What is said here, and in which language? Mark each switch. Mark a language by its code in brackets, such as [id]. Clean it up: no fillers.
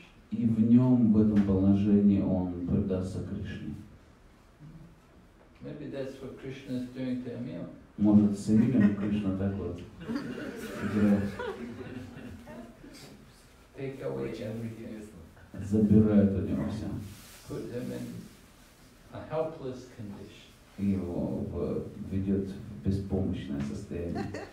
[ru] И в нем, в этом положении, он предастся Кришне. [en] Maybe that's what Krishna is doing to Emil. [ru] Может, с Эмилем Кришна так вот играет. [en] Take away everything. [ru] Забирает у него все. [en] Put him in a helpless condition. [ru] И его ведет в беспомощное состояние.